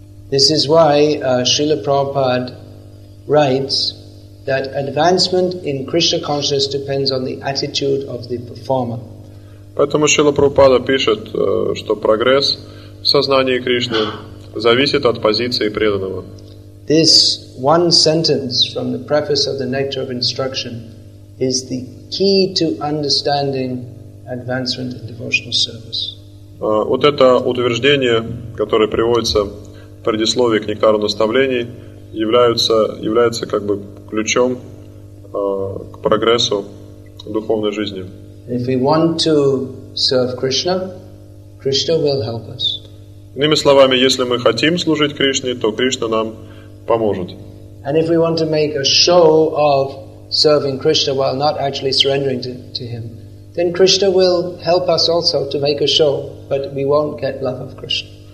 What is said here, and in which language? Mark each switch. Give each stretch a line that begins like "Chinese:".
English: This is why Srila Prabhupada writes that advancement in Krishna consciousness depends on the attitude of the performer.
Russian: Поэтому Шрила Прабхупада пишет, что прогресс в сознании Кришны зависит от позиции преданного.
English: This one sentence from the preface of the Nectar of Instruction is the key to understanding advancement in devotional service.
Russian: Вот это утверждение, которое приводится в предисловии к Нектару Наставлений, является как бы ключом к прогрессу духовной жизни.
English: If we want to serve Krishna, Krishna will help us.
Russian: Иными словами, если мы хотим служить Кришне, то Кришна нам поможет.
English: And if we want to make a show of serving Krishna while not actually surrendering to him, then Krishna will help us also to make a show, but we won't get love of Krishna.